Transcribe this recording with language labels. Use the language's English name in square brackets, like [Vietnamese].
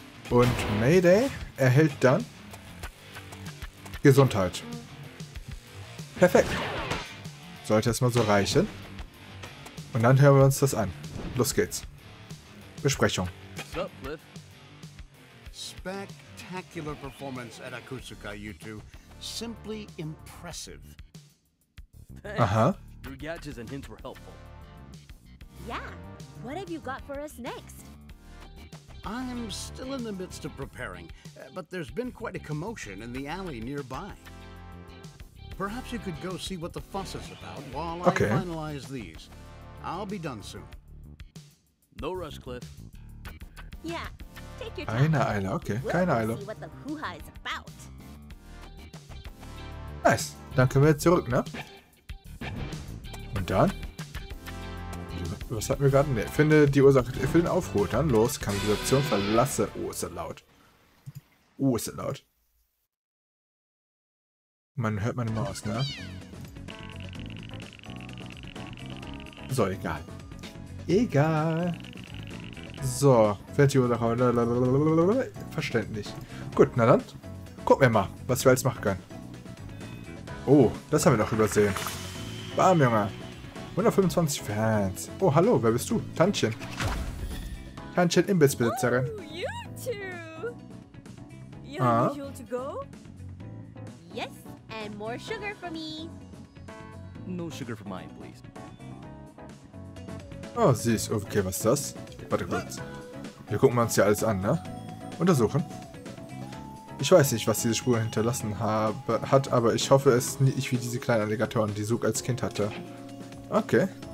[German] Und Mayday erhält dann Gesundheit. Perfekt. Sollte erstmal so reichen. Und dann hören wir uns das an. Los geht's. Besprechung. [English] What's up, Cliff? Spectacular performance at Akutsuka, you two. Simply impressive. Aha. Your gadgets and hints were helpful. Yeah. What have you got for us next? I'm still in the midst of preparing, but there's been quite a commotion in the alley nearby. Perhaps you could go see what the fuss is about while okay. I finalize these. I'll be done soon. No rush, Cliff. Yeah. Take your time. [German] Keine Eile, okay. Keine Eile. [English] We'll see what the hoo-ha is about. Nice. [German] Dann können wir zurück, ne? Und dann? Was hatten wir gerade? Ne, finde die Ursache für den Aufruhr. Dann los, Kanalisation verlasse. Oh, ist er laut. Oh, ist er laut. Man hört meine Maus, ne? So, egal. Egal. So, fährt die Ursache. Verständlich. Gut, na dann. Gucken wir mal, was wir jetzt machen können. Oh, das haben wir doch übersehen. Bam, Junge. 125 Fans. Oh, hallo, wer bist du? Tantchen. Tantchen, Imbissbesitzerin. [English] Oh, you two! You have the jewel to go? Yes, and more sugar for me. No sugar for mine, please. [German] Oh, süß. Okay, was ist das? Warte kurz. Wir gucken uns ja alles an, ne? Untersuchen. Ich weiß nicht, was diese Spur hinterlassen hat, aber ich hoffe, es ist nicht wie diese kleinen Alligatoren, die Zug als Kind hatte. Okay.